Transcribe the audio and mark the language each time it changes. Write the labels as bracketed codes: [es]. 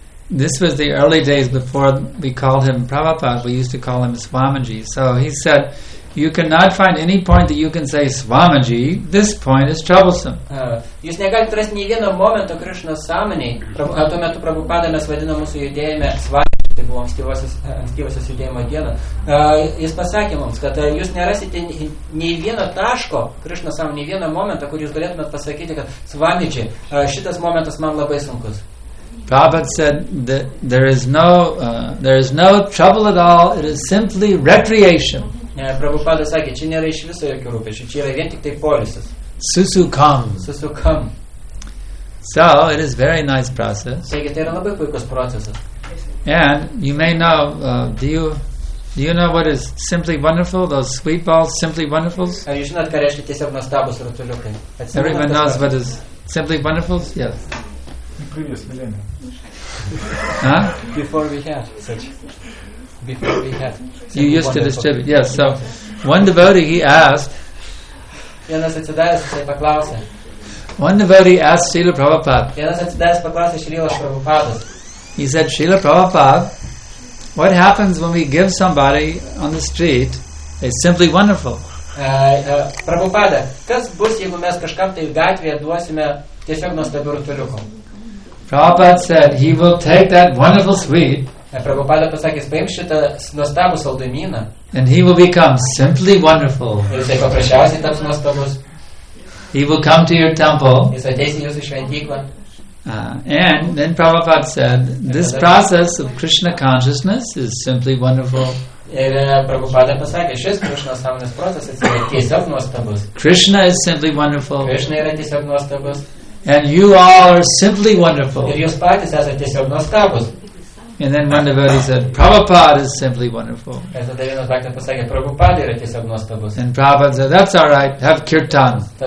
[en] This was the early days before we called him Prabhupada, we used to call him Swamiji. So he said, you cannot find any point that you can say Swamiji, this point is troublesome. [lt] Jūs negalite rasti nei vieno momento Krishna sąmonėj, tuo metu Prabhupada mes vadinam mūsų judėjime Swamiji. Tai buvo ankstyvosios judėjimo diena. Jis pasakė mums, kad jūs nerasite nei vieno taško, Krishna sako, nei vieno momento, kur jūs galėtumėt pasakyti, kad Svamidži, šitas momentas man labai sunkus. [en] Prabhupada said that there is no trouble at all, it is simply recreation. [lt] Prabhupada sakė, čia nėra iš viso jokio rūpesčio, čia yra vien tik tai polisas. [sa] Susukam. Susukam. [en] So it is very nice process. And you may know, do you know what is simply wonderful? Those sweet balls, simply wonderful. Everyone knows what is simply wonderful. Yes. Previous millennium. Huh? Before we had. You used to distribute. Yes. So one devotee asked Srila Prabhupada. He said, Srila Prabhupada, what happens when we give somebody on the street a simply wonderful? [lt] Prabhupada, kas bus, jeigu mes kažkam tai gatvėje duosime tiesiog nuostabių rutuliukų? [en] Prabhupada said he will take that wonderful sweet. [lt] Prabhupada pasakė, paim šitą nuostabų saldumyną. [en] And he will become simply wonderful. [lt] Jisai paprasčiausiai taps nuostabus. [en] He will come to your temple. [lt] Jis ateis į jūsų šventyklą. [en] And then Prabhupada said, this process of Krishna consciousness is simply wonderful. [lt] Ir Prabhupada pasakė, šis Krishna sąmonės procesas yra tiesiog nuostabus. [en] Krishna is simply wonderful. [lt] Krishna yra tiesiog nuostabus. [en] And you all are simply wonderful. [lt] Ir jūs patys esate tiesiog nuostabus. [en] And then one devotee said, Prabhupada is simply wonderful. And Prabhupada said, that's all right, have kirtan.